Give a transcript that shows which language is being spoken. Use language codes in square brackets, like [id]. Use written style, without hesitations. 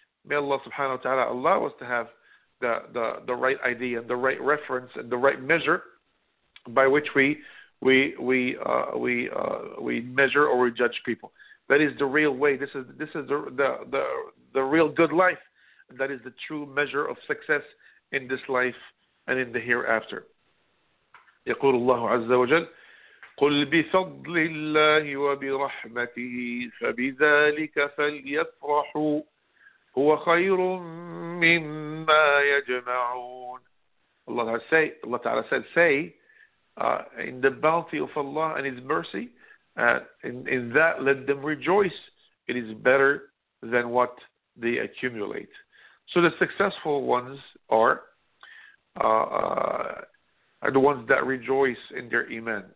[en] May Allah subhanahu wa ta'ala allow us to have the right idea and the right reference and the right measure by which we measure or we judge people. That is the real way. This is the real good life. That is the true measure of success in this life and in the hereafter. [ar] يقول الله عز وجل قل بفضل الله وبرحمته فبذلك فليفرحوا هو خير مما يجمعون. [en] Allah Ta'ala says, in the bounty of Allah and His mercy, in that let them rejoice. It is better than what they accumulate. So the successful ones are the ones that rejoice in their iman.